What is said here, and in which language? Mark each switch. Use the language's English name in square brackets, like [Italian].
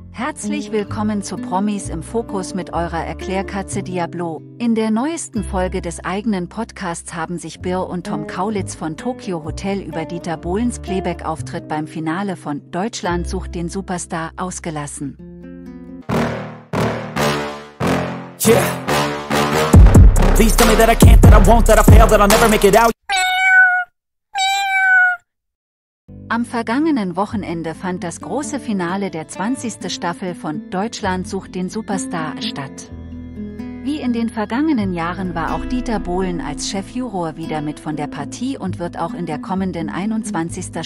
[German] Herzlich willkommen zu Promis im Fokus mit eurer Erklärkatze Diablo. In der neuesten Folge des eigenen Podcasts haben sich Birr und Tom Kaulitz von Tokyo Hotel über Dieter Bohlens Playback-Auftritt beim Finale von Deutschland sucht den Superstar ausgelassen. Yeah. [English] Please tell me that I can't, that I won't, that I fail, that I'll never make it out. [German] Am vergangenen Wochenende fand das große Finale der 20. Staffel von Deutschland sucht den Superstar statt. Wie in den vergangenen Jahren war auch Dieter Bohlen als Chefjuror wieder mit von der Partie und wird auch in der kommenden 21.